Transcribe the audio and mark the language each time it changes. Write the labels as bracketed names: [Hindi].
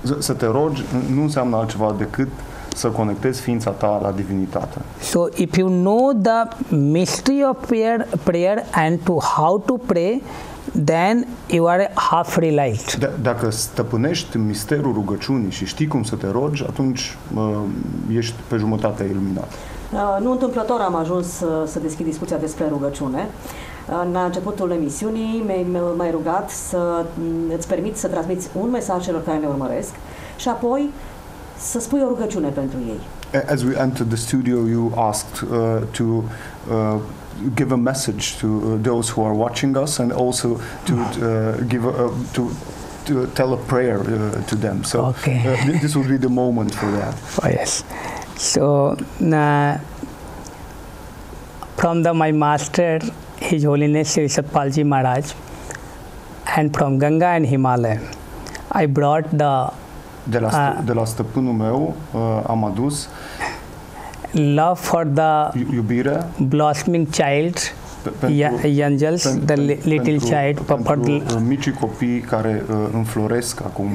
[Romanian] Să te rogi nu înseamnă altceva decât să conectezi ființa ta la divinitate. [English] So if you know the mystery of prayer and to how to pray, then you are half realized. [Romanian] Dacă stăpânești misterul rugăciunii și știi cum să te rogi, atunci ești pe jumătate iluminat. Nu întâmplător am ajuns să deschid discuția despre rugăciune. În începutul emisiunii m-ai rugat să îți permit să transmiți un mesaj celor care ne urmăresc și apoi să spui o rugăciune pentru ei. [English] As we entered the studio, you asked to give a message to those who are watching us and also to give to tell a prayer to them. So okay. This will be the moment for that. Oh, yes. So from my master, His Holiness Sri Satpalji Maharaj, and from Ganga and Himalaya, I brought the [Romanian] de la stăpânul meu am adus [English] love for the [Romanian] iubire, [English] blossoming child, angels, the little [Romanian] pentru, [English] child, [Romanian] pentru micii copii care înfloresc acum